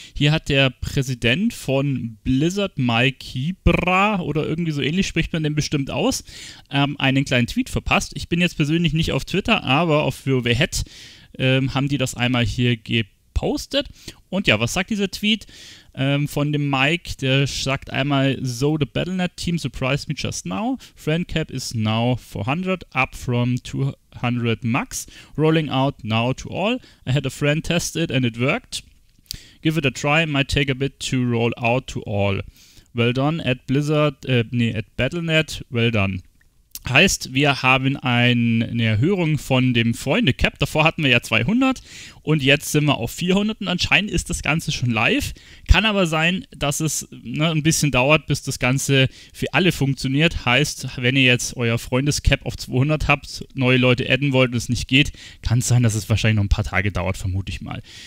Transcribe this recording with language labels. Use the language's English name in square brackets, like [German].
[German] Hier hat der Präsident von Blizzard, Mike Hibra, oder irgendwie so ähnlich spricht man den bestimmt aus, einen kleinen Tweet verpasst. Ich bin jetzt persönlich nicht auf Twitter, aber auf WoWhead haben die das einmal hier gepostet. Und ja, was sagt dieser Tweet von dem Mike? Der sagt einmal, [English] so the Battle.net team surprised me just now. Friend cap is now 400, up from 200 max. Rolling out now to all. I had a friend test it and it worked. Give it a try, might take a bit to roll out to all. Well done at Blizzard, at Battle.net, well done. [German] Heißt, wir haben eine Erhöhung von dem Freunde-Cap. Davor hatten wir ja 200 und jetzt sind wir auf 400 und anscheinend ist das Ganze schon live. Kann aber sein, dass es ein bisschen dauert, bis das Ganze für alle funktioniert. Heißt, wenn ihr jetzt euer Freundes-Cap auf 200 habt, neue Leute adden wollt und es nicht geht, kann es sein, dass es wahrscheinlich noch ein paar Tage dauert, vermute ich mal.